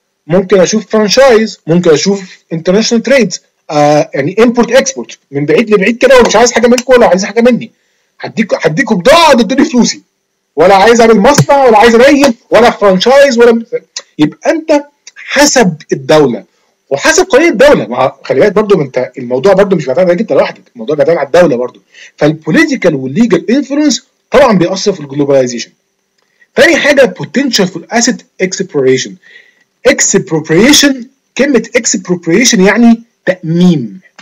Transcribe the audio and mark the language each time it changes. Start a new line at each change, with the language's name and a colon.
Arabic: ممكن اشوف فرانشايز، ممكن اشوف انترناشونال تريدز، يعني امبورت اكسبورت من بعيد لبعيد كده، ومش عايز حاجه منكم ولا عايز حاجه مني، هديكوا بضاعه تدوني فلوسي، ولا عايز اعمل مصنع ولا عايز اريم ولا فرانشايز ولا يبقى انت حسب الدوله وحسب قانون الدوله. خلي بالك برضو انت الموضوع برضو مش بيعتمد عليك انت لوحدك، الموضوع بيعتمد على الدوله برضو. فالبوليتيكال والليجال انفلونس طبعا بيأثر في الجلوباليزيشن. تاني حاجة
English: potential for asset expropriation.
Arabic: expropriation كلمة expropriation يعني تأميم.